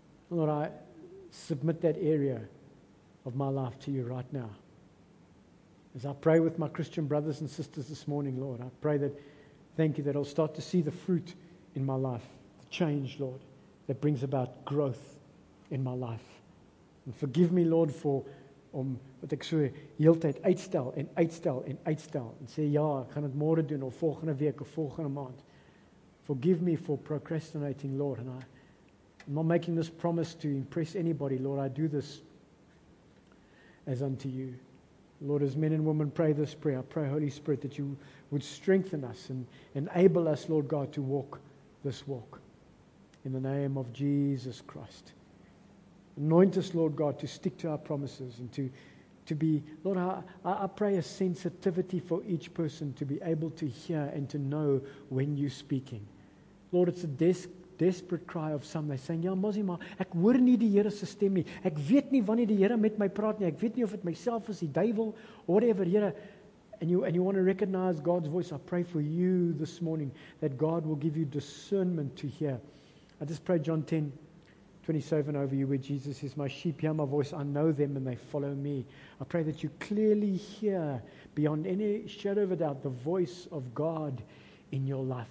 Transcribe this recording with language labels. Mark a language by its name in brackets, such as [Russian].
[English] Lord, I submit that area of my life to you right now. As I pray with my Christian brothers and sisters this morning, Lord, I pray that, thank you, that I'll start to see the fruit in my life, the change, Lord, that brings about growth in my life. And forgive me, Lord, for [Afrikaans] om wat ek so heeltyd uitstel en uitstel en uitstel en sê ja, ek gaan dit môre doen of volgende week of volgende maand. [English] Forgive me for procrastinating, Lord, and I'm not making this promise to impress anybody, Lord. I do this as unto you. Lord, as men and women pray this prayer, I pray, Holy Spirit, that you would strengthen us and enable us, Lord God, to walk this walk in the name of Jesus Christ. Anoint us, Lord God, to stick to our promises and to be, Lord, I pray a sensitivity for each person to be able to hear and to know when you're speaking. Lord, it's a desk desperate cry of some. They're saying, [Afrikaans] ja, Mosie, maar ek hoor nie die Here se stem nie. Ek weet nie wanneer die Here met my praat nie. Ek weet nie of dit myself is, die duivel, whatever, Here. [English] And you want to recognize God's voice, I pray for you this morning that God will give you discernment to hear. I just pray John 10, 27 over you, where Jesus says, my sheep hear my voice, I know them and they follow me. I pray that you clearly hear, beyond any shadow of a doubt, the voice of God in your life.